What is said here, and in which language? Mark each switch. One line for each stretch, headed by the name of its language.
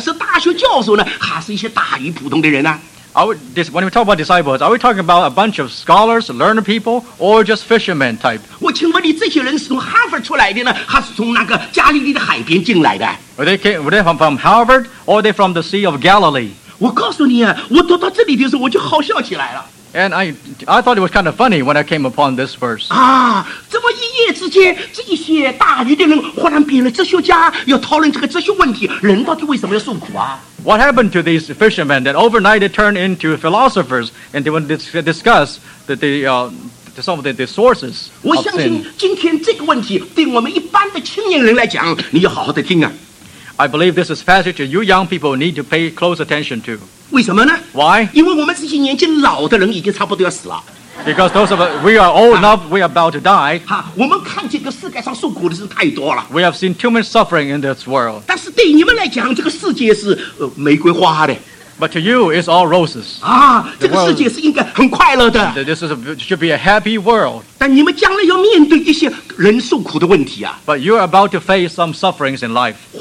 Chinese: 我心里请问你,耶稣的这些门徒们是有学问的人呢,是大学教授呢,还是一些大于普通的人呢?
English: When we talk about disciples, are we talking about a bunch of scholars, learned people, or just fishermen type?
Chinese: 我请问你,这些人是从哈佛出来的呢,还是从那个加利利的海边进来的?
English: Were they from Harvard, or are they from the Sea of Galilee?
Chinese: 我告诉你,我读到这里的时候,我就好笑起来了。
English: And I thought it was kind of funny when I came upon this verse.
Chinese: 这么一夜之间,这些大鱼的人忽然变了哲学家,要讨论这个哲学问题,人到底为什么要受苦啊?
English: What happened to these fishermen that overnight they turned into philosophers and they would discuss some of the sources of sin? I believe this is a passage that you young people need to pay close attention to.
Chinese: 为什么呢?
English: Why?
Chinese: 因为我们这些年纪老的人已经差不多要死了。
English: Because those of us, we are old enough, we are about to die.
Chinese: 我们看见这个世界上受苦的事太多了。
English: We have seen too much suffering in this world.
Chinese: 但是对你们来讲,这个世界是玫瑰花的。
English: But to you, it's all roses.
Chinese: 这个世界是应该很快乐的。
English: This is should be a happy world.
Chinese: 但你们将来要面对一些人受苦的问题啊。
English: But you are about to face some sufferings in life.